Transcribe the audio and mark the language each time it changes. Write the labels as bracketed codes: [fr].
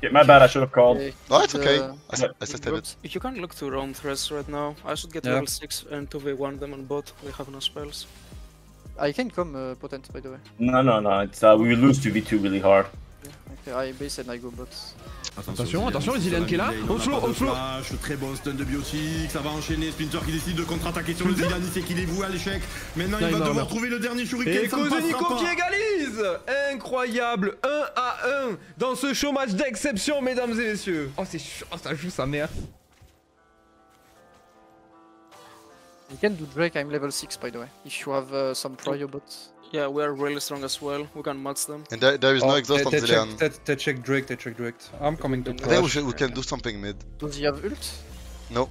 [en] Yeah, my bad, I should have called. No, it's okay. I sustained it. If you can't look to roam threats right now, I should get level 6 and 2v1 them on bot. We have no spells. I can come, Potent, by the way. No, it's we will lose 2v2 really hard. Yeah. Okay, I base and I go bot. [fr] Attention, Zilean qui est là. On slow. Flash, très bon stun de biotique, ça va enchaîner. Splinter qui décide de contre-attaquer sur le Zilean, il sait qu'il est voué à l'échec. Maintenant, il va devoir trouver le dernier shuriken. Et Kozuniko qui égalise. Incroyable, 1-1 dans ce showmatch d'exception, mesdames et messieurs. Oh, c'est chaud, ça joue sa mère. [en] You can do Drake, I'm level 6 by the way. If you have some prio bots. Yeah, we are really strong as well. We can match them. And there is no exhaust on Zilean. They check Drake. I'm coming to push. I think we can do something mid. Does he have ult? No.